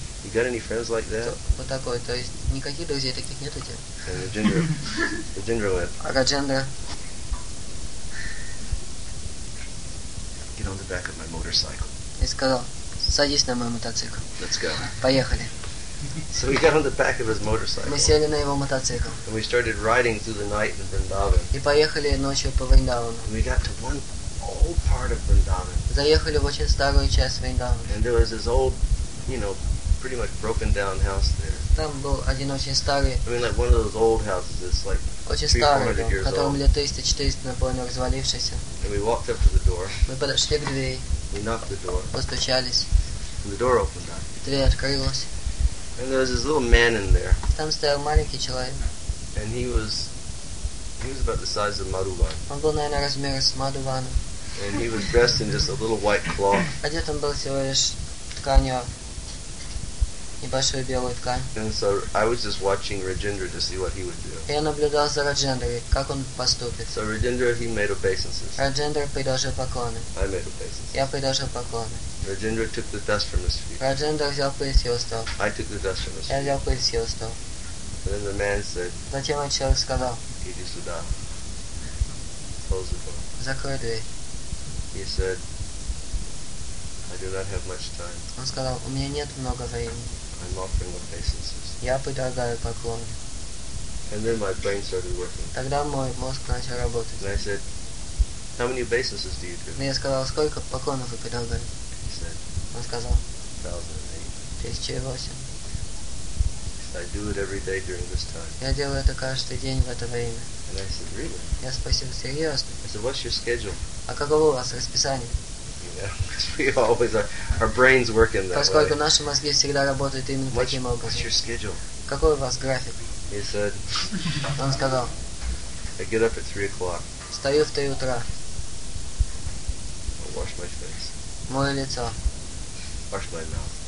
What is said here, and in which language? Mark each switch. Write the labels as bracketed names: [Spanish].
[English] You got any friends like that? [Russian] Вот такой, то есть никаких друзей таких нет у тебя? [English] And Rajendra, Rajendra went. Rajendra. Get on the back of my motorcycle. [Russian] И сказал, садись на мой мотоцикл. [English] Let's go. [Russian] Поехали. [English] So we got on the back of his motorcycle. [Russian] Мы сели на его мотоцикл. [English] And we started riding through the night in Vrindavan. [Russian] И поехали ночью по Вриндавану. [English] We got to one old part of Vrindavan. [Russian] Заехали в очень старую часть Вриндавана. [English] And there was this old, you know, pretty much broken down house there. [Russian] Там был один очень старый. [English] I mean, like one of those old houses. It's like 300-400 years old. And we walked up to the door. [Russian] Мы подошли к двери. [English] We knocked the door. [Russian] Постучались. [English] And the door opened up. [Russian] Дверь открылась. [English] And there was this little man in there. [Russian] Там стоял маленький человек. [English] And he was about the size of Madhuban. [Russian] Он был, наверное, размером с Madhuban. [English] And he was dressed in just a little white cloth. [Russian] Одет он был всего лишь тканью, небольшую белую ткань. [English] And so I was just watching Rajendra to see what he would do. [Russian] Я наблюдал за Раджендрой, как он поступит. [English] So Rajendra, he made obeisances. [Russian] Раджендра предложил поклоны. [English] I made obeisances. [Russian] Я предложил поклоны. [English] Rajendra took the dust from his feet. [Russian] Rajendra взял пыль с его стоп. [English] I took the dust from his feet. [Russian] Я взял пыль с его стоп. [English] And then the man said. [Russian] Затем он человек сказал. Иди сюда. [English] Close the door. [Russian] Закрой дверь. [English] He said, I do not have much time. [Russian] Он сказал, у меня нет много времени. [English] I'm offering obeisances. [Russian] Я предлагаю поклон. [English] And then my brain started working. [Russian] Тогда мой мозг начал работать. [English] And I said, how many obeisances do you do? [Russian] Я сказал, сколько поклонов вы предлагали? Он сказал. [English] 1008. I do it every day during this time. [Russian] Я делаю это каждый день в это время. [English] And I said, really? [Russian] Я спросил, серьезно? [English] I said, what's your schedule? [Russian] А каково у вас расписание? [English] Yeah, we always our brains work in that way. [Russian] Поскольку наши мозги всегда работают именно таким образом. [English] What's your schedule? [Russian] Какой у вас график? [English] He said. [Russian] Он сказал. [English] I get up at 3:00. [Russian] Встаю в 3:00. [English] I wash my face. [Russian] Мое лицо. [English] Wash my mouth.